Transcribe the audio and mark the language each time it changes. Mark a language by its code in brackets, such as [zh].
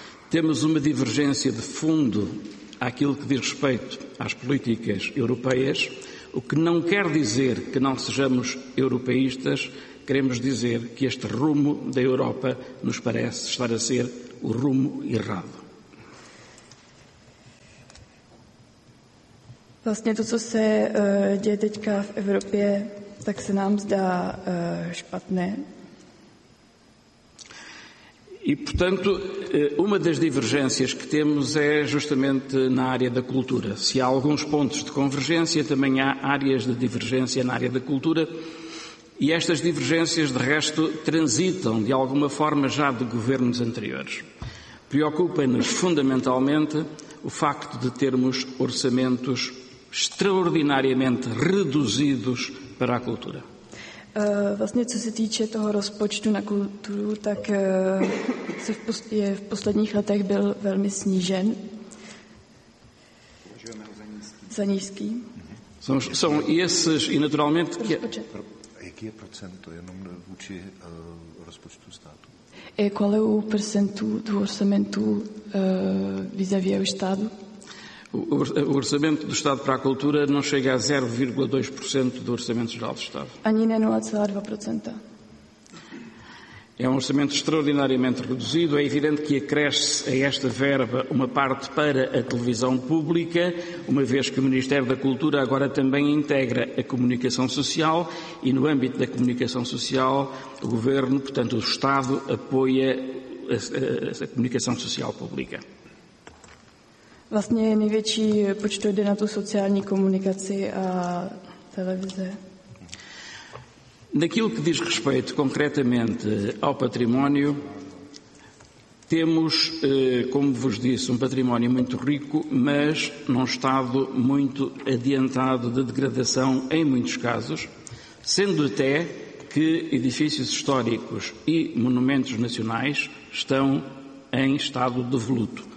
[pt] Temos uma divergência de fundo àquilo que diz respeito às políticas europeias, o que não quer dizer que não sejamos europeístas, queremos dizer que este rumo da Europa nos parece estar a ser o rumo errado. [cs] Vlastně to, co se děje teďka v Evropě, tak se nám zdá špatné. [pt] E, portanto, uma das divergências que temos é justamente na área da cultura. Se há alguns pontos de convergência, também há áreas de divergência na área da cultura. E estas divergências, de resto, transitam, de alguma forma, já de governos anteriores. Preocupa-nos, fundamentalmente, o facto de termos orçamentos extraordinariamente reduzidos para a cultura. [cs] Vlastně, co se týče toho rozpočtu na kulturu, tak se v posledních letech byl velmi snížen. Za nízký. [pt] São esses, e naturalmente... [cs] Jaký je procento jenom vůči rozpočtu státu? [pt] E qual é o percento do orçamento vis-à-vis ao Estado? O orçamento do Estado para a cultura não chega a 0,2% do orçamento geral do Estado. [cs] Ani ne 0,2%. [pt] É um orçamento extraordinariamente reduzido. É evidente que acresce a esta verba uma parte para a televisão pública, uma vez que o Ministério da Cultura agora também integra a comunicação social e, no âmbito da comunicação social, o Governo, portanto o Estado, apoia a comunicação social pública. [cs] Vlastně největší počet jde na tu sociální komunikaci a televize. [pt] Naquilo que diz respeito concretamente ao património, temos, como vos disse, um património muito rico, mas num estado muito adiantado de degradação em muitos casos, sendo até que edifícios históricos e monumentos nacionais estão em estado de voluto.